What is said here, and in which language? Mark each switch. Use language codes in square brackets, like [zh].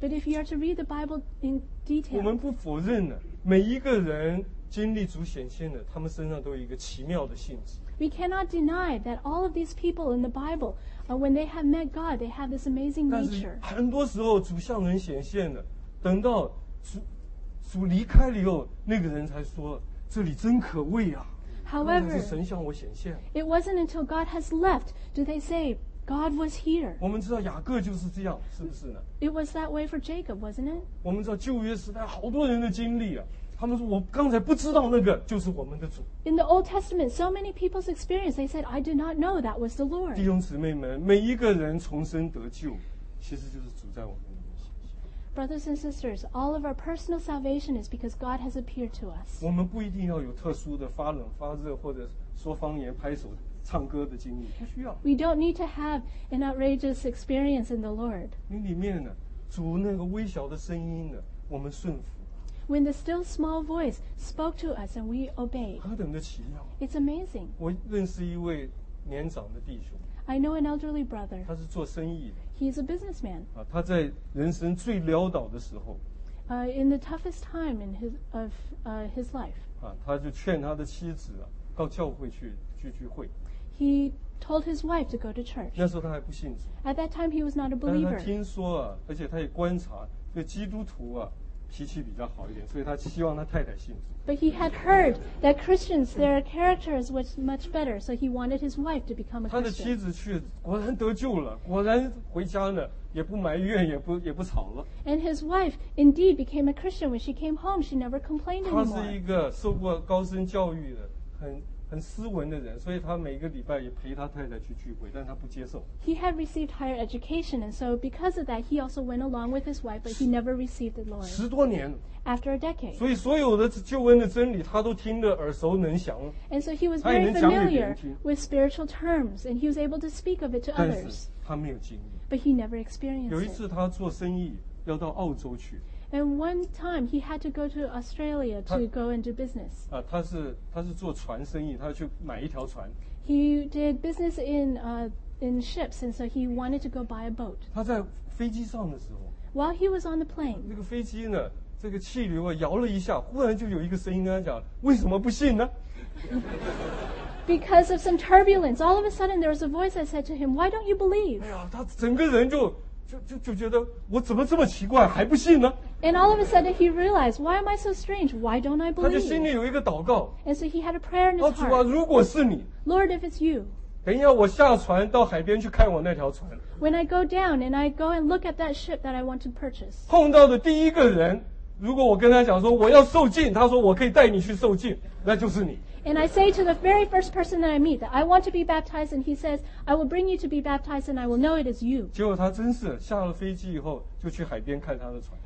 [en] But if you are to read the Bible in detail, [zh] 我们不否认了，每一个人经历主显现的，他们身上都有一个奇妙的性质。 [en] We cannot deny that all of these people in the Bible, when they have met God, they have this amazing nature. [zh] 但是很多时候主向人显现了，等到主离开了以后，那个人才说，这里真可畏啊。 [en] However, [zh] 但是神向我显现。 [en] It wasn't until God has left, do they say, God was here. [zh] 我们知道雅各就是这样，是不是呢？ [en] It was that way for Jacob, wasn't it? [zh] 我们知道旧约时代好多人的经历啊。他们说我刚才不知道那个就是我们的主。 [en] In the Old Testament, so many people's experience, they said, I did not know that was the Lord. [zh] 弟兄姊妹们，每一个人重生得救，其实就是主在我们里面显现。 [en] Brothers and sisters, all of our personal salvation is because God has appeared to us. [zh] 我们不一定要有特殊的发冷发热或者说方言拍手唱歌的经历，不需要。 [en] We don't need to have an outrageous experience in the Lord. [zh] 你里面呢，主那个微小的声音呢，我们顺服。 [en] When the still small voice spoke to us and we obeyed. [zh] 何等的奇妙。 [en] It's amazing. [zh] 我认识一位年长的弟兄。 [en] I know an elderly brother. [zh] 他是做生意的。 [en] He's a businessman. [zh] 啊，他在人生最潦倒的时候。 [en] In the toughest time in his life. [zh] 啊，他就劝他的妻子啊，到教会去聚聚会。 [en] He told his wife to go to church. [zh] 那时候他还不信主。 [en] At that time he was not a believer. [zh] 但是他听说啊，而且他也观察，这基督徒啊脾气比较好一点，所以他希望他太太信主。 [en] But he had heard that Christians, their characters was much better, so he wanted his wife to become a Christian. [zh] 他的妻子去，果然得救了，果然回家了，也不埋怨，也不吵了。 [en] And his wife indeed became a Christian when she came home. She never complained anymore. [zh] 他是一个受过高深教育的，很斯文的人，所以他每个礼拜也陪他太太去聚会，但他不接受。 [en] He had received higher education, and so because of that, he also went along with his wife, but he never received the Lord. [zh] 十多年。 [en] After a decade. [zh] 所以所有的救恩的真理，他都听得耳熟能详。 [en] And so he was very familiar with spiritual terms, and he was able to speak of it to others. [zh] 但是他没有经历。 [en] But he never experienced it. [zh] 有一次他做生意要到澳洲去。 [en] And one time he had to go to Australia to go and do business. [zh] 啊，他是做船生意，他去买一条船。 [en] He did business in ships, and so he wanted to go buy a boat. [zh] 他在飞机上的时候。 [en] While he was on the plane. [zh] 那个飞机呢，这个气流啊摇了一下，忽然就有一个声音跟他讲，为什么不信呢？ [en] Because of some turbulence, all of a sudden there was a voice that said to him, "Why don't you believe?" [zh] 哎呀，他整个人就觉得我怎么这么奇怪还不信呢？ [en] And all of a sudden he realized, why am I so strange? Why don't I believe? [zh] 他就心里有一个祷告。 [en] And so he had a prayer in his heart. [zh] 主啊，如果是你， [en] Lord, if it's you. [zh] 等一下我下船到海边去看我那条船。 [en] When I go down and I go and look at that ship that I want to purchase. [zh] 碰到的第一个人，如果我跟他讲说我要受浸，他说我可以带你去受浸，那就是你。 [en] And I say to the very first person that I meet that I want to be baptized, and he says, I will bring you to be baptized, and I will know it is you. [zh] 结果他真是下了飞机以后就去海边看他的船。